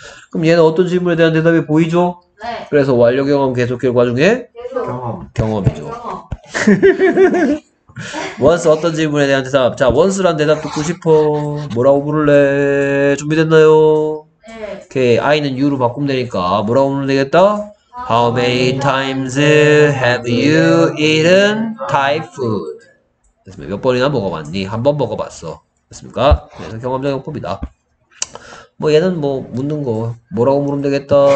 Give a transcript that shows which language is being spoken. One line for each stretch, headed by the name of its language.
Korean: 그럼 얘는 어떤 질문에 대한 대답이 보이죠? 네. 그래서 완료 경험 계속 결과 중에? 경험이죠. 원스 어떤 질문에 대한 대답? 자, 원스란 대답 듣고 싶어. 뭐라고 부를래? 준비됐나요? 네. 오케이. I는 U로 바꾸면 되니까. 뭐라고 부르면 되겠다?
English: How many times have you eaten Thai food?
Korean: 몇 번이나 먹어봤니? 한번 먹어봤어. 됐습니까? 그래서 경험적 용법이다. 뭐 얘는 뭐 묻는 거 뭐라고 물으면 되겠다.